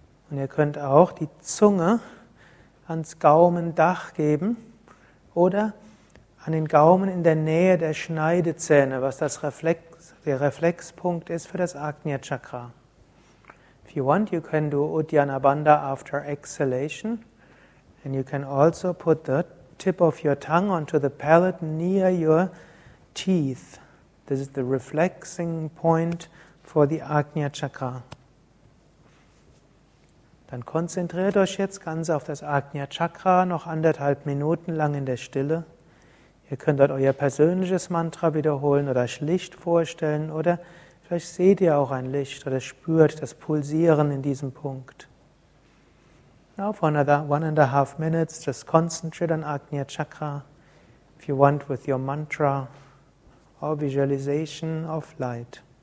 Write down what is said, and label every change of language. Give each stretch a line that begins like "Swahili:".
German: Und ihr könnt auch die Zunge ans Gaumendach geben oder an den Gaumen in der Nähe der Schneidezähne, was das der Reflexpunkt ist für das Ajna Chakra.
English: If you want, you can do Uddiyana Bandha after exhalation. And you can also put the tip of your tongue onto the palate near your teeth. This is the reflexing point for the Ajna Chakra.
German: Dann konzentriert euch jetzt ganz auf das Ajna Chakra, noch anderthalb Minuten lang in der Stille. Ihr könnt dort euer persönliches Mantra wiederholen oder euch Licht vorstellen oder vielleicht seht ihr auch ein Licht oder spürt das Pulsieren in diesem Punkt.
English: Now for another 1.5 minutes, just concentrate on Ajna Chakra, if you want, with your mantra or visualization of light.